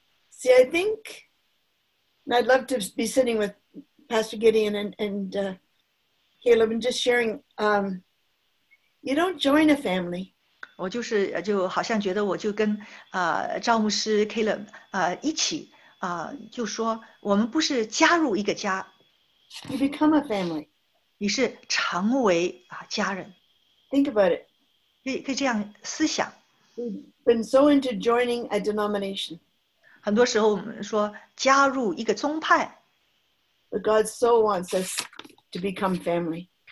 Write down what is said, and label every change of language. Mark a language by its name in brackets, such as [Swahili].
[English] See, I think, and I'd love to be sitting with Pastor Gideon and Caleb and just sharing, you don't join a family. [Chinese] 我就是就好像觉得我就跟赵牧师Caleb一起就说我们不是加入一个家。 [English] You become a family. [Chinese] 你是成为家人。 [English] Think about it. [Chinese] 可以这样思想。 [English] We've been so into joining a denomination. [Chinese] 很多时候我们说加入一个宗派。 [English] But God so wants us to become family.